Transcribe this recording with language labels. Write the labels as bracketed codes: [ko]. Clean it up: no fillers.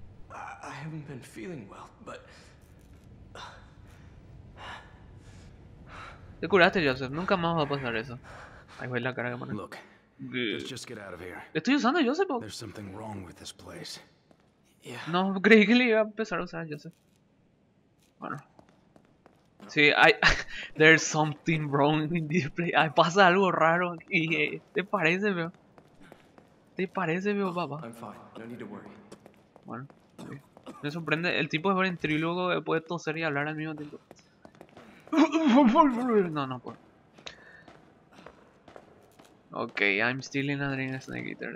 [en] I haven't been feeling well, but. [es] Te curaste, Joseph. Nunca más va a pasar eso. Ahí fue la cara que pone. [en] Look, let's just get out of here. [es] Estoy usando a Joseph. [en] There's something wrong with this place. Yeah. [es] No, creí que le iba a empezar a usar a Joseph. Bueno. Sí, hay... [en] There's something wrong in this place. [es] Ay, pasa algo raro aquí. ¿Te parece, veo? ¿Te parece, veo, papá? [en] I'm fine. No need to worry. [es] Bueno. Sí. Me sorprende. El tipo es ventrílogo, puede toser y hablar al mismo tiempo. No, no puedo. [en] Ok, I'm still in a dream, Snake Eater.